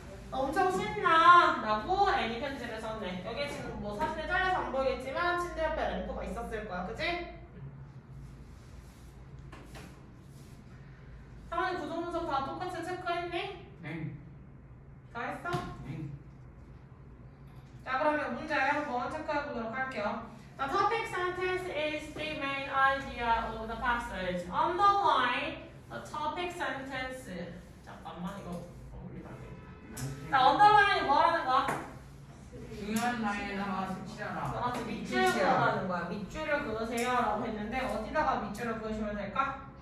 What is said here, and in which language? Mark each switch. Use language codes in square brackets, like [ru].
[ko] 엄청 신나 라고 애니 편지를 썼네. 여기 지금 뭐 사진에 잘려서 안 보이겠지만 침대 옆에 램프가 있었을 거야. 그치? 상원이 구조문서 다 똑같이 체크했니? 네. 다 했어? 네. 자, 그러면 문제 한번 체크해 보도록 할게요. [en] The topic sentence is the main idea of the passage. Underline the topic sentence. [ko] 잠깐만, 이거 어울리나게. 자, underline이 뭐라는 거야? 중요한 라인에다가 수치하라. 그렇지, 밑줄을 그어라는 거야. 밑줄을 그으세요 라고 했는데 어디다가 밑줄을 그으시면 될까?